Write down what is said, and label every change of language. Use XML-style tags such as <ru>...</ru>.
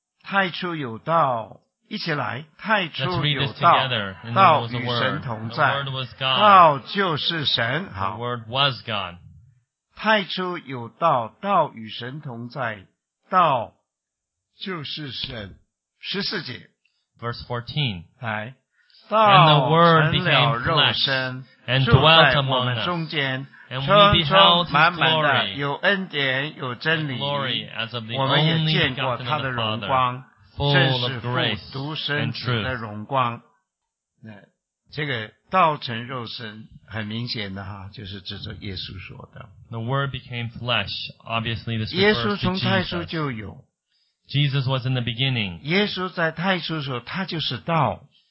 <zh>太初有道，一起来。太初有道，道与神同在，道就是神。好。</zh> <en>The word was God.</en> <zh>太初有道，道与神同在，道就是神。十四节。</zh> <en>Verse 14.</en> <zh>来。</zh> <en>And the word became flesh and dwelt among us.</en> <zh>中间</zh> <en>And we beheld his glory,</en> <zh>有恩典有真理</zh> <en>glory as of the only begotten of the Father, full of grace and truth.</en> <zh>的荣光那这个道成肉身很明显的哈，就是指着耶稣说的。</zh> <en>The word became flesh, obviously this refers to Jesus.</en> <zh>耶稣从太初就有。</zh> <en>Jesus was in the beginning.</en> <zh>耶稣在太初的时候，他就是道。</zh>